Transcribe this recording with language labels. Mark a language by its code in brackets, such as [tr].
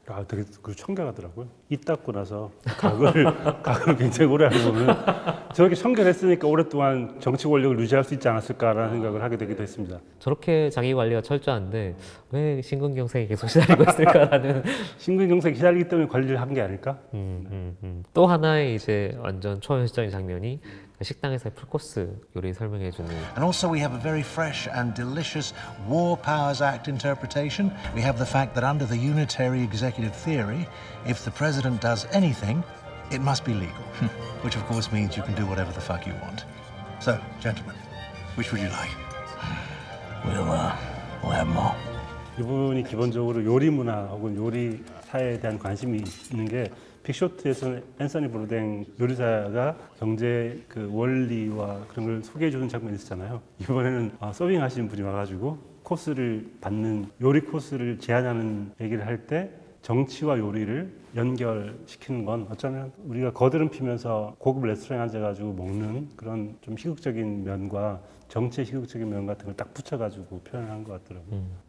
[ko] 아, 되게 그 청결하더라고요. 입 닦고 나서 각을 굉장히 오래 하고 보면 저렇게 청결했으니까 오랫동안 정치 권력을 유지할 수 있지 않았을까라는 생각을 하게 되기도 했습니다. 저렇게 자기 관리가 철저한데 왜 신근경색이 계속 시달리고 있을까라는. 신근경색이 시달리기 때문에 관리를 한 게 아닐까? 또 하나의 이제 완전 초현실적인 장면이 식당에서 풀코스 요리 설명해 주는. [en] And also we have a very fresh and delicious War Powers Act interpretation. We have the fact that under the unitary executive theory, if the president does anything, it must be legal. Which of course means you can do whatever the fuck you want. So, gentlemen, which would you like? We'll have more. [ko] 이분이 기본적으로 요리 문화 혹은 요리 사회에 대한 관심이 있는 게, 빅쇼트에서는 앤서니 브루댕 요리사가 경제 그 원리와 그런 걸 소개해 주는 장면이 있었잖아요. 이번에는 서빙하시는 분이 와가지고 코스를 받는, 요리 코스를 제안하는 얘기를 할 때 정치와 요리를 연결시키는 건 어쩌면 우리가 거드름 피면서 고급 레스토랑에 앉아가지고 먹는 그런 좀 희극적인 면과 정치의 희극적인 면 같은 걸 딱 붙여가지고 표현을 한 것 같더라고요.